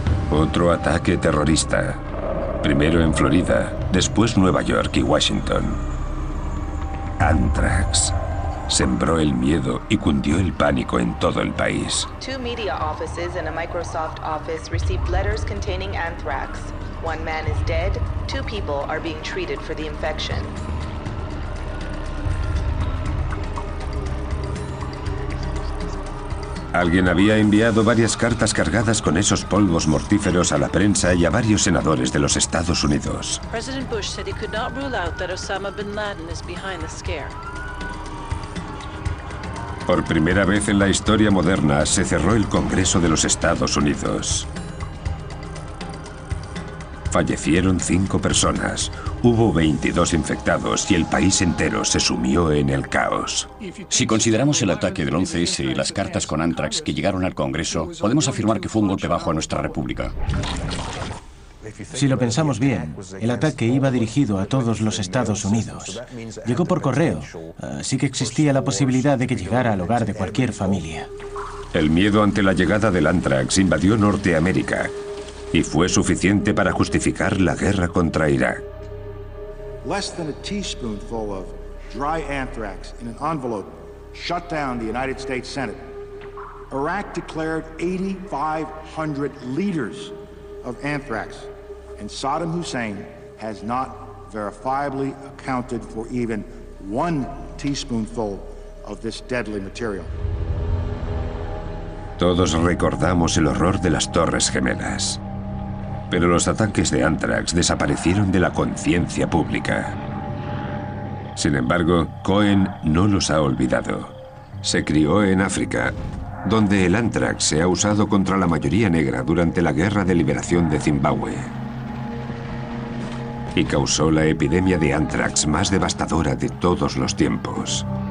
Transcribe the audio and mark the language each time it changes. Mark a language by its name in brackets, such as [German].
[Spanish] Otro ataque terrorista. Primero en Florida, después Nueva York y Washington. Anthrax sembró el miedo y cundió el pánico en todo el país. [English] Two media offices and a Microsoft office received letters containing anthrax. One man is dead, two people are being treated for the infection. [Spanish] Alguien había enviado varias cartas cargadas con esos polvos mortíferos a la prensa y a varios senadores de los Estados Unidos. [English] President Bush said he could not rule out that Osama bin Laden is behind the scare. [Spanish] Por primera vez en la historia moderna se cerró el Congreso de los Estados Unidos. Fallecieron 5 personas, hubo 22 infectados y el país entero se sumió en el caos. Si consideramos el ataque del 11S y las cartas con anthrax que llegaron al Congreso, podemos afirmar que fue un golpe bajo a nuestra república. Si lo pensamos bien, el ataque iba dirigido a todos los Estados Unidos. Llegó por correo, así que existía la posibilidad de que llegara al hogar de cualquier familia. El miedo ante la llegada del anthrax invadió Norteamérica y fue suficiente para justificar la guerra contra Irak. [English] Less than a teaspoonful of dry anthrax in an envelope shut down the United States Senate. Iraq declared 8,500 liters of anthrax, and Saddam Hussein has not verifiably accounted for even one teaspoonful of this deadly material. [Spanish] Todos recordamos el horror de las Torres Gemelas. Pero los ataques de anthrax desaparecieron de la conciencia pública. Sin embargo, Cohen no los ha olvidado. Se crió en África, donde el anthrax se ha usado contra la mayoría negra durante la Guerra de Liberación de Zimbabue y causó la epidemia de anthrax más devastadora de todos los tiempos.